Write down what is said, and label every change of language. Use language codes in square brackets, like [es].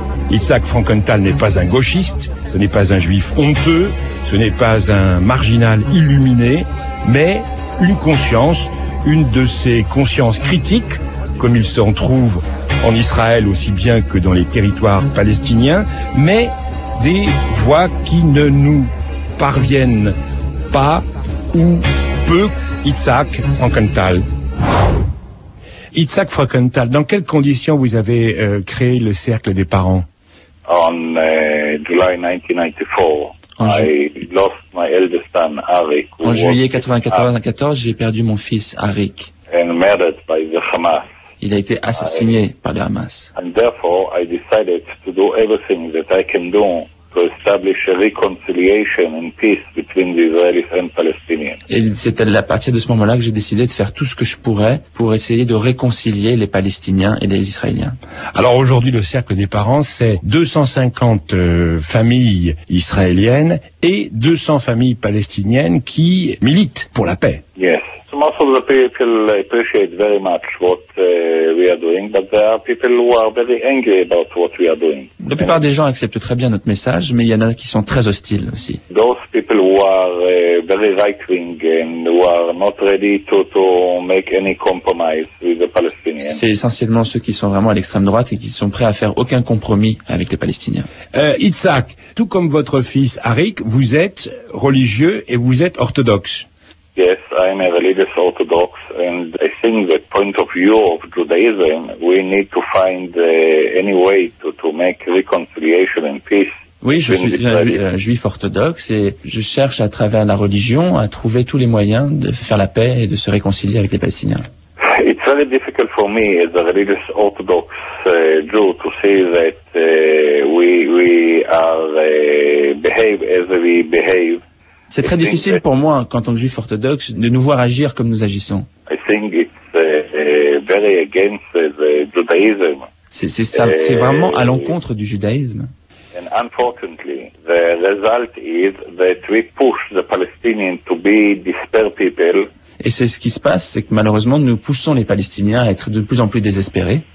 [fr] Itzhak Frankenthal n'est pas un gauchiste, ce n'est pas un juif honteux, ce n'est pas un marginal illuminé, mais une conscience, une de ces consciences critiques, comme il s'en trouve en Israël aussi bien que dans les territoires palestiniens, mais des voix qui ne nous parviennent pas ou peu. Itzhak Frankenthal. Itzhak Frankenthal, dans quelles conditions vous avez créé le cercle des parents? En [en] July 1994, I lost my eldest son, Arik. [fr] En juillet 1994, j'ai perdu mon fils, Arik. [en] And murdered by the Hamas. [fr] Il a été assassiné par le Hamas. [en] And therefore, I decided to do everything that I can do to establish a reconciliation and peace between the Israelis and Palestinians. [fr] Et c'est à partir de ce moment-là que j'ai décidé de faire tout ce que je pourrais pour essayer de réconcilier les Palestiniens et les Israéliens. Alors aujourd'hui, le cercle des parents, c'est 250 familles israéliennes et 200 familles palestiniennes qui militent pour la paix. [en] Yes. So most of the people appreciate very much what we are doing, but there are people who are very angry about what we are doing. [fr] La plupart des gens acceptent très bien notre message, mais il y en a qui sont très hostiles aussi. [en] Those people who are very right-wing and who are not ready to make any compromise with the Palestinians. [fr] C'est essentiellement ceux qui sont vraiment à l'extrême droite et qui sont prêts à faire aucun compromis avec les Palestiniens. Itzhak, tout comme votre fils Arik, vous êtes religieux et vous êtes orthodoxe. [en] Yes, I am a religious Orthodox, and I think the point of view of Judaism, we need to find any way to make reconciliation and peace. [fr] Oui, je suis un juif orthodoxe et je cherche à travers la religion à trouver tous les moyens de faire la paix et de se réconcilier avec les Palestiniens. [en] It's very difficult for me as a religious Orthodox Jew to say that we behave as we behave. [fr] C'est très difficile pour moi, en tant que juif orthodoxe, de nous voir agir comme nous agissons. [en] I think it's very against the Judaism. [fr] C'est vraiment à l'encontre du judaïsme. [en] And unfortunately, the result is that we push the Palestinians to be dispersed people. [fr] Et c'est ce qui se passe, c'est que malheureusement, nous poussons les Palestiniens à être de plus en plus désespérés.